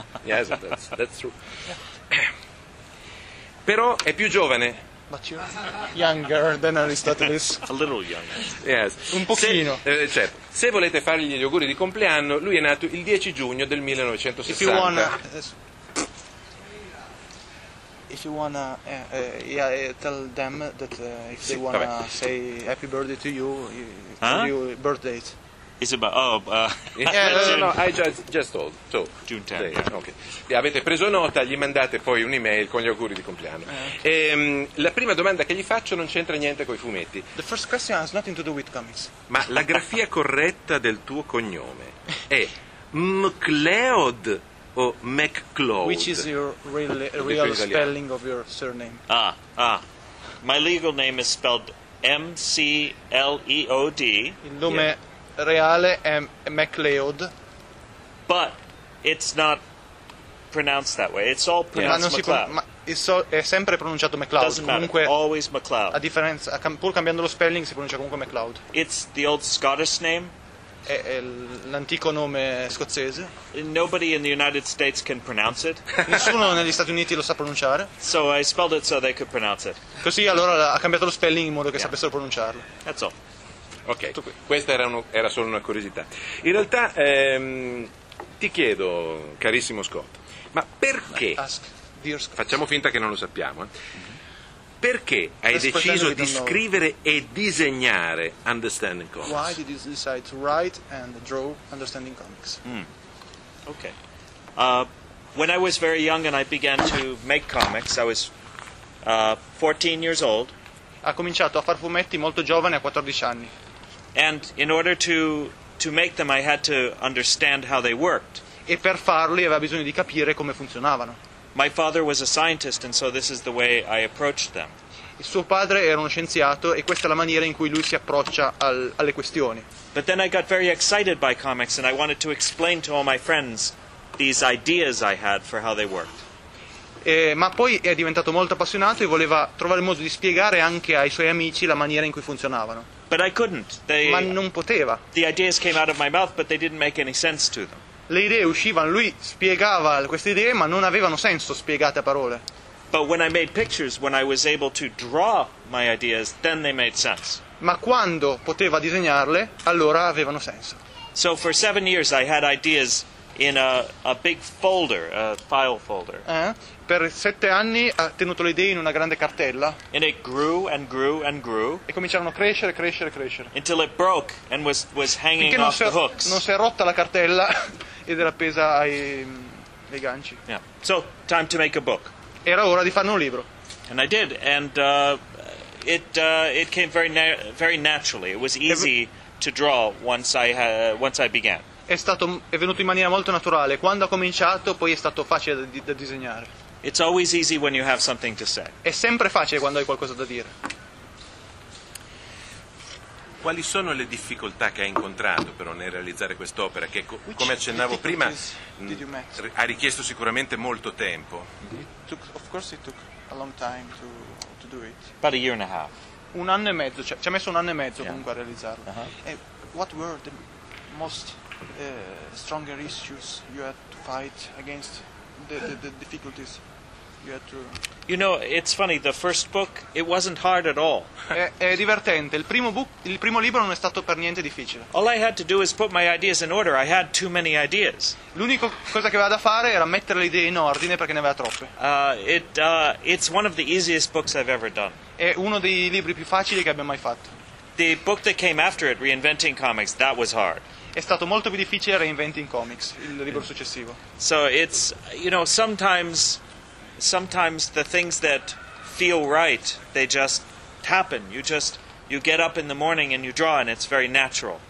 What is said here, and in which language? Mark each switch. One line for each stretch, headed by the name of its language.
English: Yes, that's true. Yeah.
Italian: Però è più giovane.
English: But you're younger than Aristoteles. A little younger. Yes.
Italian: Un pochino. Se volete fargli gli auguri di compleanno, lui è nato il 10 giugno del 1960.
English: Tell them that if they wanna say happy birthday to you, your birth date. It's about I just told. So June 10. Day, okay.
Italian: Avete preso nota, gli mandate poi un'email con gli auguri di compleanno. Okay. La prima domanda che gli faccio non c'entra niente coi fumetti.
English: The first question has nothing to do with comics.
Italian: Ma la grafia corretta del tuo cognome è MacLeod.
English: Oh, MacLeod. Which is your real spelling of your surname? My legal name is spelled MCLEOD.
Italian: Il nome reale è MacLeod.
English: But it's not pronounced that way. It's all pronounced MacLeod.
Italian: È sempre pronunciato MacLeod.
English: Doesn't matter. Always MacLeod.
Italian: A differenza, pur cambiando lo spelling, si pronuncia comunque MacLeod.
English: It's the old Scottish name.
Italian: È l'antico nome scozzese.
English: Nobody in the United States can pronounce it.
Italian: Nessuno negli Stati Uniti lo sa pronunciare.
English: So I spelled it so they could pronounce it.
Italian: Così allora ha cambiato lo spelling in modo che sapessero pronunciarlo.
English: That's all.
Italian: Ok, questa era solo una curiosità. In realtà ti chiedo, carissimo Scott, ma perché Scott. Facciamo finta che non lo sappiamo. Perché hai deciso di scrivere e disegnare Understanding Comics?
English: Why did you decide to write and draw Understanding Comics? Okay. When I was very young and I began to make comics, I was 14 years old.
Italian: Ha cominciato a far fumetti molto giovane, a 14 anni.
English: And in order to make them, I had to understand how they worked.
Italian: E per farli aveva bisogno di capire come funzionavano.
English: My father was a scientist, and so this is the way I approached them.
Italian: Il suo padre era uno scienziato, e questa è la maniera in cui lui si approccia alle questioni.
English: But then I got very excited by comics, and I wanted to explain to all my friends these ideas I had for how they worked.
Italian: Ma poi è diventato molto appassionato e voleva trovare il modo di spiegare anche ai suoi amici la maniera in cui funzionavano.
English: But I couldn't.
Italian: Ma non poteva.
English: The ideas came out of my mouth, but they didn't make any sense to them.
Italian: Le idee uscivano, lui spiegava queste idee, ma non avevano senso spiegate a parole.
English: But when I made pictures, when I was able to draw my ideas, then they made sense.
Italian: Ma quando poteva disegnarle, allora avevano senso.
English: So for 7 years I had ideas in a big folder, a file folder.
Italian: Per sette anni ha tenuto le idee in una grande cartella.
English: And it grew and grew and grew.
Italian: E cominciarono a crescere, crescere, crescere.
English: Until it broke and was hanging off the hooks.
Italian: Non si è rotta la cartella ed era appesa ai ganci.
English: Yeah. So, time to make a book.
Italian: Era ora di farne un libro.
English: And I did, and it came very naturally. It was easy to draw once I began.
Italian: È venuto in maniera molto naturale. Quando ho cominciato, poi è stato facile da disegnare.
English: It's always easy when you have something to say.
Italian: È sempre facile quando hai qualcosa da dire. Quali sono le difficoltà che hai incontrato però nel realizzare quest'opera che, come accennavo prima, ha richiesto sicuramente molto tempo?
English: It took a long time to do it. About a year and a half.
Italian: Un anno e mezzo, ci ha messo un anno e mezzo comunque a realizzarlo.
English: What were the most stronger issues you had to fight against, the difficulties you had to... You know, it's funny, the first book, it wasn't hard at all.
Italian: È divertente, il primo libro non è stato per niente difficile.
English: All I had to do is put my ideas in order, I had too many ideas.
Italian: L'unica cosa che avevo da fare era mettere le idee in ordine perché ne aveva troppe.
English: It's one of the easiest books I've ever done.
Italian: È uno dei libri più facili che abbia mai fatto.
English: The book that came after it, Reinventing Comics, that was hard.
Italian: È stato molto più difficile Reinventing Comics, il libro successivo.
English: So it's, you know, sometimes the things that feel right, they just happen. You get up in the morning and you draw and it's very natural.